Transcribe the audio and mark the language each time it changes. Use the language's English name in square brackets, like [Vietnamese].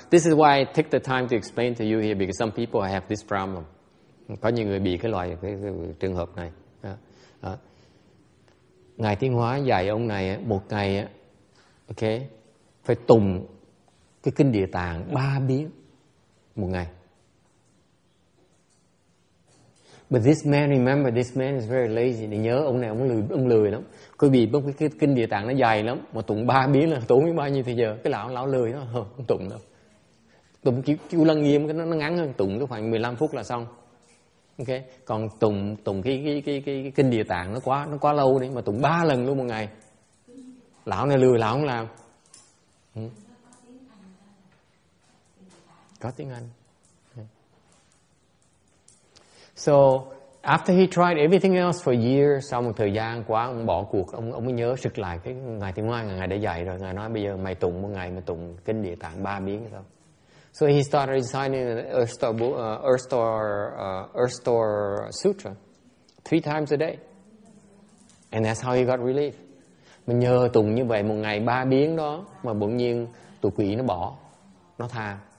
[English] This is why I take the time to explain to you here because some people have this problem. [Vietnamese] Có nhiều người bị cái loại cái trường hợp này. Ngài Tiếp Hóa dạy ông này một ngày, okay, phải tụng cái kinh Địa Tạng 3 biến một ngày. [English] But this man, remember, this man is very lazy. [Vietnamese] Để nhớ, ông này ông lười lắm. Cứ bị bốc cái kinh Địa Tạng nó dài lắm. Mà tụng 3 biến là tốn biết bao nhiêu thời giờ. Cái lão lười đó, không tụng đâu. Tụng chú lăng nghiêm nó ngắn hơn. Tụng cái khoảng 15 phút là xong. Ok. Còn tụng cái kinh Địa Tạng nó quá lâu đi. Mà tụng 3 lần luôn một ngày. Lão này lười, lão không làm. Có tiếng Anh. [English] So after he tried everything else for years, [Vietnamese] sau một thời gian quá ông bỏ cuộc, ông mới nhớ sực lại cái ngày thứ ngoài ngày đã dạy rồi. Ngài nói bây giờ mày tụng một ngày mà tụng kinh Địa Tạng 3 biến thôi. [English] So he started reciting Earth Store Sutra 3 times a day, and that's how he got relief. [Vietnamese] Mà nhờ tụng như vậy một ngày 3 biến đó mà bỗng nhiên tụ quỷ nó bỏ, nó tha.